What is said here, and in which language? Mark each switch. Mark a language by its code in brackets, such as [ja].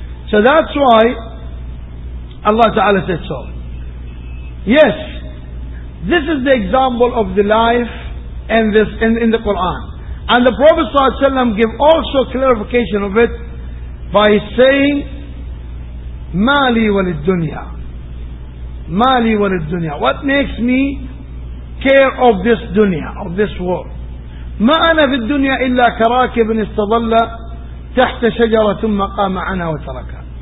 [en] So that's why Allah Ta'ala said so. Yes, this is the example of the life in the Quran, and the Prophet ﷺ gave also clarification of it by saying [ar] مالي وللدنيا، مالي وللدنيا. [en] What makes me care of this dunya, of this world. [ar] ما أنا في الدنيا إلا كراكب استظل تحت شجرة ثم قام عنها وترك.